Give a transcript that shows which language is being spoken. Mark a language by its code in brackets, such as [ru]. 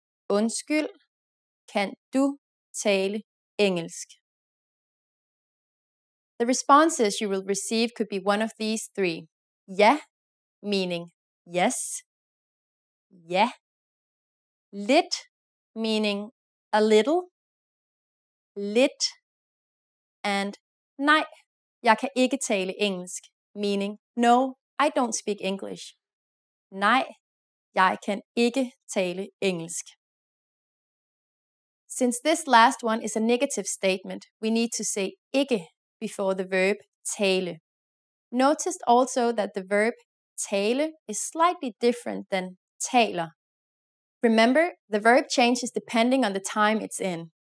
[da] Undskyld, kan du tale engelsk? [en] The responses you will receive could be one of these three. Ja, yeah, meaning yes. Ja. Yeah. Lidt, meaning a little. Lidt. And [da] nej, jeg kan ikke tale engelsk, [en] meaning no, I don't speak English. [da] Nej, jeg kan ikke tale engelsk. [en] Since this last one is a negative statement, we need to say ikke before the verb tale. Notice also that the verb tale is slightly different than taler. Remember, the verb changes depending on the time it's in.